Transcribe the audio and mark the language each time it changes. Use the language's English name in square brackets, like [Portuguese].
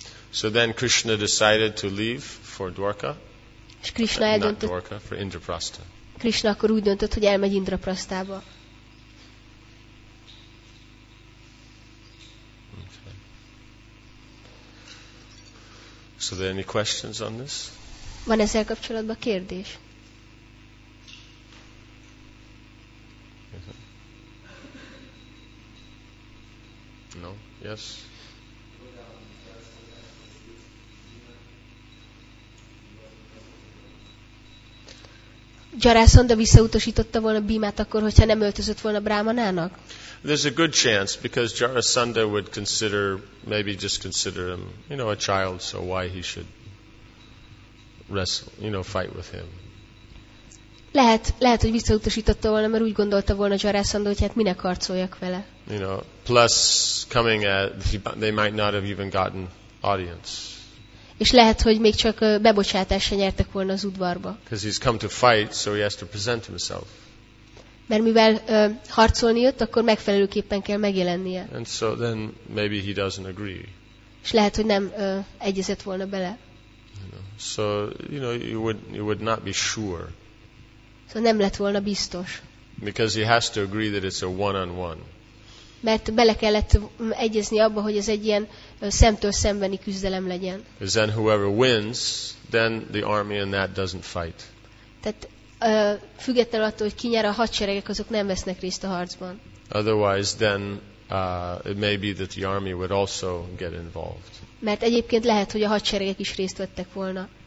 [English] So then Krishna decided to leave for Dvarka. [Hungarian] És Krishna eldöntött, [English] not Dvarka, for Indraprastha. [Hungarian] Krishna akkor úgy döntött, hogy elmegy Indraprasthába. [English] Okay. So there any questions on this? [Hungarian] Van ezzel kapcsolatban kérdés? [English] No? Yes? [Hungarian] Gyarászanda visszautasította volna Bhimát akkor, hogyha nem öltözött volna Brahmanának? [English] There's a good chance because Jarasandha would consider, maybe just consider him, you know, a child, so why he should wrestle, you know, fight with him. [Hungarian] Lehet, hogy visszautasította volna, mert úgy gondolta volna Jarasandha, hogy hát minek harcoljak vele. [English] You know, plus coming at, they might not have even gotten audience. [Hungarian] És lehet, hogy még csak bebocsátást se nyertek volna az udvarba. [English] Because he's come to fight, so he has to present himself. [Hungarian] Mert mivel harcolni jött, akkor megfelelőképpen kell megjelennie. [English] And so then maybe he doesn't agree. [Hungarian] És lehet, hogy nem egyezett volna bele. [English] You know, so you know, you would not be sure. [Hungarian] Szóval nem lett volna biztos. [English] Because he has to agree that it's a one-on-one. [Hungarian] Mert bele kellett egyezni abba, hogy ez egy ilyen szemtől szembeni küzdelem legyen. [English] Because then whoever wins, then the army in that doesn't fight. [Hungarian] Tehát függetlenül attól, hogy ki nyer, a hadseregek azok nem vesznek részt a harcban. [English] Otherwise then it may be that the army would also get involved. [Hungarian] Mert egyébként lehet, hogy a hadseregek is részt vettek volna.